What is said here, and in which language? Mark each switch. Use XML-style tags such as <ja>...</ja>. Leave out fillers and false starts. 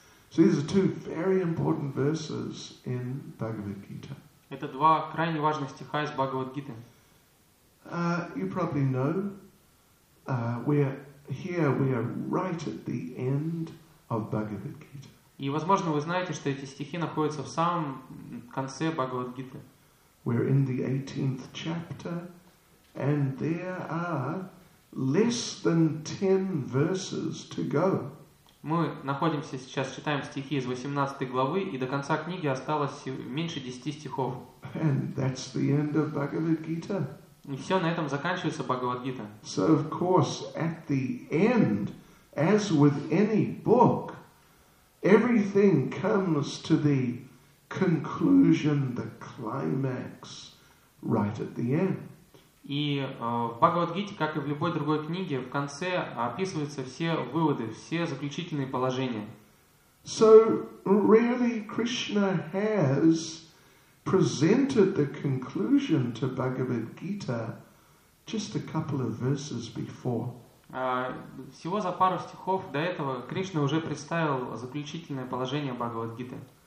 <en>So these are two very important verses in Bhagavad Gita.</en> <ru>Это два крайне важных стиха из Бхагавад Гиты.</ru> <en>You probably know, we are right at the end of Bhagavad Gita.</en> <ru>И, возможно, вы знаете, что эти стихи находятся в самом конце Бхагавад Гиты.</ru> <en>We're in the 18th chapter, and there are less than 10 verses to go.</en> <ru>Мы находимся сейчас, читаем стихи из 18 главы, и до конца книги осталось меньше 10 стихов.</ru> <en>And that's the end of Bhagavad Gita.</en> <ru>И все, на этом заканчивается Бхагавад Гита.</ru> <en>So, of course, at the end, as with any book, everything comes to the conclusion, the climax, right at the end.</en> <ru>И в Бхагавад-гите, как и в любой другой книге, в конце описываются все выводы, все заключительные положения.</ru> <en>So really Krishna has presented the conclusion to Bhagavad-gita just a couple of verses before.</en> <ru>Всего за пару стихов до этого Кришна уже представил заключительное положение Бхагавад-гиты.</ru>